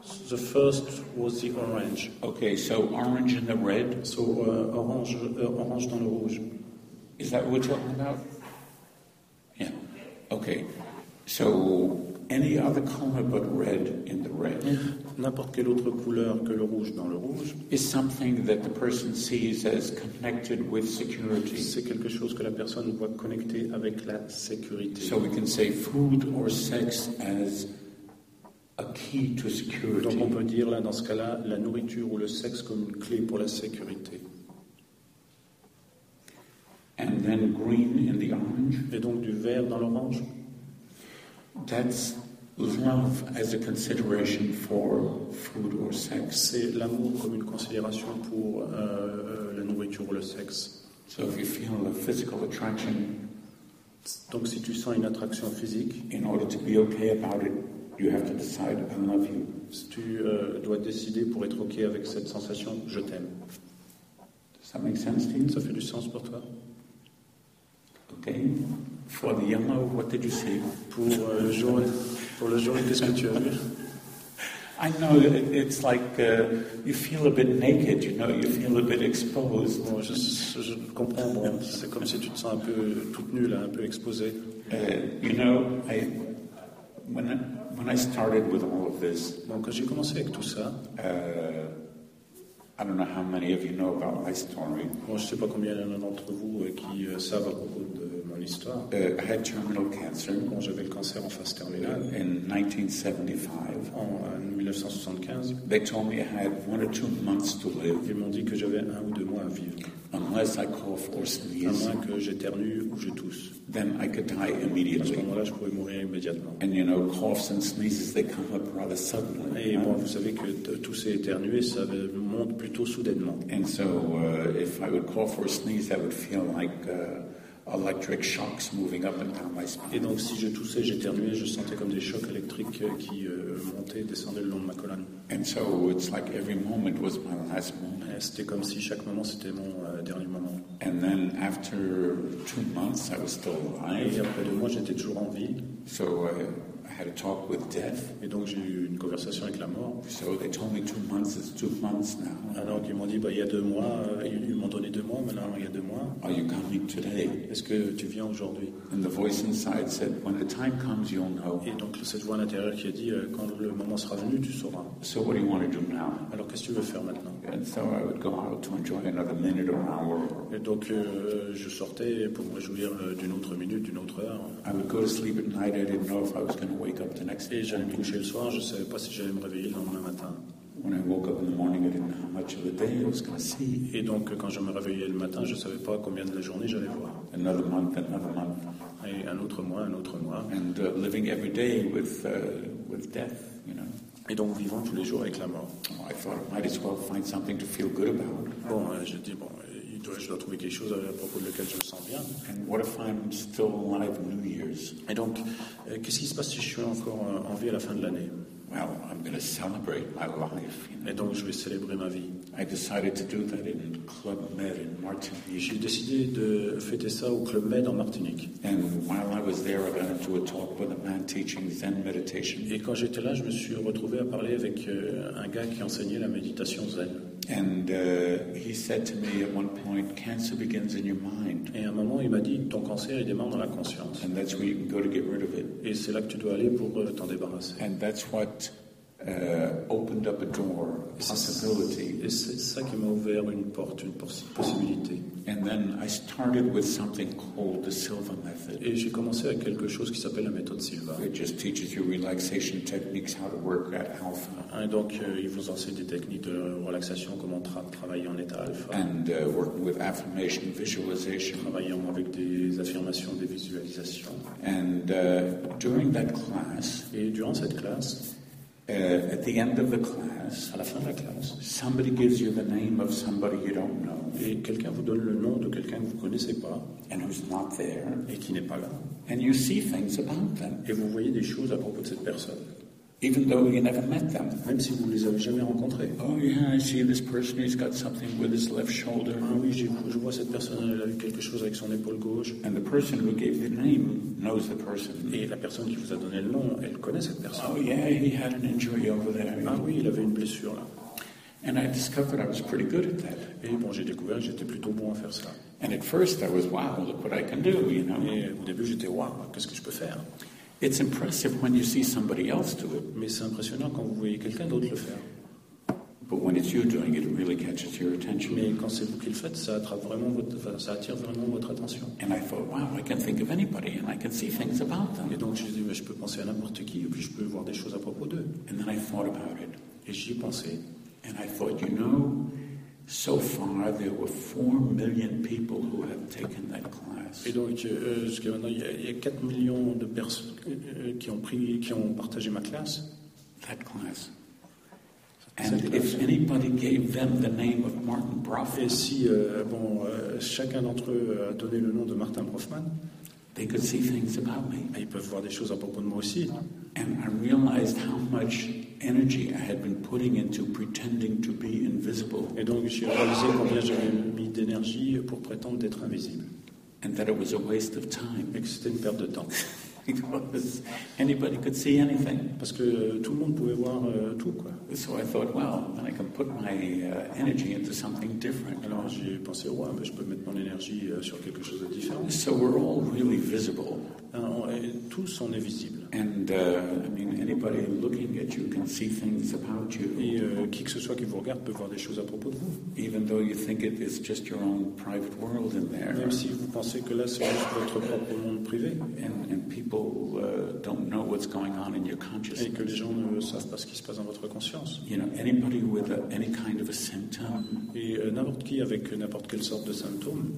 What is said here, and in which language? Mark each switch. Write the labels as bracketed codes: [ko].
[en] The first was the orange. Okay, so orange and the red. [fr] So orange dans le rouge. [en] Is that what we're talking about? Yeah. Okay. So any other color but red in the red. [fr] N'importe quelle autre couleur que le rouge dans le rouge. [en] Is something that the person sees as connected with security. [fr] C'est quelque chose que la personne voit connecté avec la sécurité. [en] So we can say food or sex as a key to security. [fr] Donc on peut dire là dans ce cas-là la nourriture ou le sexe comme une clé pour la sécurité. [en] And then green in the orange. [fr] Et donc du vert dans l'orange. [en] That's love as a consideration for food or sex. [fr] C'est l'amour comme une considération pour la nourriture ou le sexe. [en] So if you feel a physical attraction, [fr] donc si tu sens une attraction physique, [en] in order to be okay about it, you have to decide I love you. [fr] Si tu dois décider pour être okay avec cette sensation, je t'aime. [en] Does that make sense to you? [fr] Ça fait du sens pour toi? [en] Okay. For the yellow, what did you see? [fr] Pour le jaune, pour le jaune, qu'est-ce que tu as vu? [en] I know it's like you feel a bit naked, you know, you feel a bit exposed. [fr] Bon, je comprends. Bon, c'est comme si tu te sens un peu toute nue là, un peu exposée. [en] You know, when I started with all of this. [fr] Bon, quand j'ai commencé avec tout ça. [en] I don't know how many of you know about my story. [fr] Bon, je sais pas combien il y en a d'entre vous qui savent à propos de mon histoire. [en] I had terminal cancer. [fr] Bon, j'avais le cancer en phase terminale. [en] In 1975. [fr] En 1975. [en] They told me I had 1 or 2 months to live. [fr] Ils m'ont dit que j'avais 1 ou 2 mois à vivre. [en] Unless I cough or sneeze. [fr] À moins que j'éternue ou je tousse. [en] Then I could die immediately. [fr] À ce moment-là, je pourrais mourir immédiatement. [en] And you know, coughs and sneezes, they come up rather suddenly. [fr] Et bon, vous savez que tousser et éternuer, ça monte plutôt soudainement. [en] And so, if I would cough or sneeze, I would feel like electric shocks moving up and down my spine. [fr] Et donc, si je toussais, j'éternuais, je sentais comme des chocs électriques qui montaient, descendaient le long de ma colonne. [en] And so, it's like every moment was my last moment. [fr] Et c'était comme si chaque moment c'était mon dernier moment. [en] And then, after 2 months, I was still alive. [fr] Et après 2 mois, j'étais toujours en vie. [en] So, I had a talk with death. [fr] Et donc, j'ai eu une conversation avec la mort. [en] So, they told me 2 months is 2 months now. [fr] Alors, ils m'ont dit, bah, il y a 2 mois, ils m'ont donné 2 mois, mais là, il y a 2 mois. [en] Are you coming today? [fr] Est-ce que tu viens aujourd'hui? [en] And the voice inside said, when the time comes, you'll know. [fr] Et donc, cette voix à l'intérieur qui a dit, quand le moment sera venu, tu sauras. [en] So, what do you want to do now? [fr] Alors, qu'est-ce que tu veux faire maintenant? [en] And so, I would go out to enjoy another minute or hour. [fr] Et donc, je sortais pour me réjouir d'une autre minute, d'une autre heure. [en] I would go to sleep at night, I didn't know if I was going to wake up the next day. [fr] Et j'allais me coucher le soir, je ne savais pas si j'allais me réveiller le lendemain matin. [en] When I woke up in the morning, I didn't know how much of the day I was going to see. [fr] Et donc, quand je me réveillais le matin, je ne savais pas combien de la journée j'allais voir. [en] Another month, another month. [fr] Et un autre mois, un autre mois. [en] And living every day with death, you know. [fr] Et donc, vivant tous les jours avec la mort. [en] Oh, I thought I might as well find something to feel good about. [fr] Bon, je dis bon, je dois trouver quelque chose à propos de lequel je me sens bien. [en] And what if I'm still alive in New Year's? [fr] Et donc, qu'est-ce qui se passe si je suis encore en vie à la fin de l'année? [en] Well, I'm going to celebrate my life. [fr] Et donc, je vais célébrer ma vie. [en] I decided to do that in Club Med in Martinique. [fr] J'ai décidé de fêter ça au Club Med en Martinique. [en] And while I was there, I got into a talk with a man teaching Zen meditation. [fr] Et quand j'étais là, je me suis retrouvé à parler avec un gars qui enseignait la méditation Zen. [en] And he said to me at one point, cancer begins in your mind. [fr] Et à un moment, il m'a dit, ton cancer, il démarre dans la conscience. [en] And that's where you can go to get rid of it. [fr] Et c'est là que tu dois aller pour t'en débarrasser. [en] And that's what opened up a door, a possibility. [fr] Et c'est ça qui m'a ouvert une porte, une possibilité. [en] And then I started with something called the Silva method. [fr] Et j'ai commencé avec quelque chose qui s'appelle la méthode Silva. [en] It just teaches you relaxation techniques, how to work at alpha. [fr] Et donc il vous enseigne des techniques de relaxation, comment travailler en état alpha. [en] And working with affirmation, visualization. [fr] Travaillant avec des affirmations, des visualisations. [en] And during that class. [fr] Et durant cette classe. [en] At the end of the class, [fr] à la fin de la classe, [en] somebody gives you the name of somebody you don't know. [fr] Et quelqu'un vous donne le nom de quelqu'un que vous connaissez pas. [en] And who's not there. [fr] Et qui n'est pas là. [en] And you see things about them. [fr] Et vous voyez des choses à propos de cette personne. [en] Even though you never met them. [fr] Même si vous les avez jamais rencontrés. [en] Oh yeah, I see this person. He's got something with his left shoulder. [fr] Ah oui, je vois cette personne. Elle a eu quelque chose avec son épaule gauche. [en] And the person who gave the name knows the person. [fr] Et la personne qui vous a donné le nom, elle connaît cette personne. [en] Oh yeah, he had an injury over there. [fr] Ah oui, il avait une blessure là. [en] And I discovered I was pretty good at that. [fr] Et bon, j'ai découvert que j'étais plutôt bon à faire ça. [en] And at first I was wow, look what I can do, you know. [fr] Et au début j'étais wow, qu'est-ce que je peux faire? [en] It's impressive when you see somebody else do it. [fr] Mais c'est impressionnant quand vous voyez quelqu'un d'autre le faire. [en] But when it's you doing it, it really catches your attention. [fr] Mais quand c'est vous qui le faites, ça attire vraiment votre attention. [en] And I thought, wow, I can think of anybody, and I can see things about them. [fr] Et donc je dis, mais je peux penser à n'importe qui, et puis je peux voir des choses à propos d'eux. [en] And then I thought about it. [fr] Et j'y ai pensé. [en] And I thought, you know, so far there were 4 million people who have taken that class. [fr] Et donc jusqu'à maintenant, il y a 4 millions de personnes qui ont partagé ma classe. [en] That class. And if anybody gave them the name of Martin Brofman, [fr] et si chacun d'entre eux a donné le nom de Martin Brofman, [en] they could see things about me. [fr] Ils peuvent voir des choses à propos de moi aussi. [en] And I realized how much energy I had been putting into pretending to be invisible. [fr] Et donc j'ai réalisé combien j'avais mis d'énergie pour prétendre d'être invisible. [en] And that it was a waste of time. [fr] Et que c'était une perte de temps. [en] Because anybody could see anything. [fr] Parce que tout le monde pouvait voir tout quoi. [en] So I thought, well, then I can put my energy into something different. [fr] Alors j'ai pensé, ouais, mais je peux mettre mon énergie sur quelque chose de différent. [en] So we're all really visible. [fr] Tous on est visible. [en] And I mean, anybody looking at you can see things about you. [fr] Et qui que ce soit qui vous regarde peut voir des choses à propos de vous. [en] Even though you think it is just your own private world in there. [fr] Même si vous pensez que là c'est juste votre propre monde privé. [en] And people don't know what's going on in your consciousness. [fr] Et que les gens ne savent pas ce qui se passe dans votre conscience. [en] You know, anybody with any kind of a symptom. [fr] Et n'importe qui avec n'importe quelle sorte de symptôme.